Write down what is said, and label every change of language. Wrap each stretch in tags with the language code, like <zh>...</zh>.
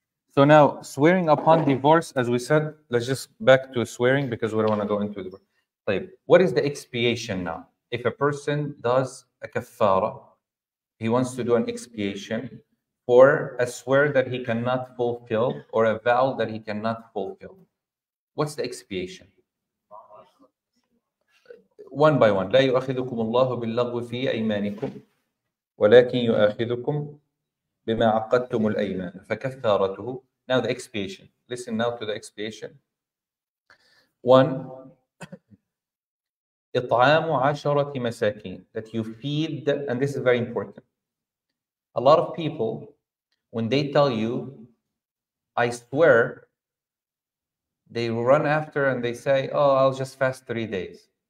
<en>So now, swearing upon divorce, as we said, let's just back to swearing because we don't want to go into the slave. What is the expiation now? If a person does a kafara, he wants to do an expiation, or a swear that he cannot fulfill, or a vow that he cannot fulfill. What's the expiation? One by one.</en> <ar>لا يؤخذكم الله باللغو في أيمانكم ولكن يؤخذكم بما عقدتم الأيمان فكفارته.</ar> <en>Now the expiation. Listen now to the expiation. One.</en> <ar>إطعام عشرة مساكين.</ar> <en>That you feed, and this is very important. A lot of people, when they tell you, I swear, they run after and they say, oh, I'll just fast 3 days.</en>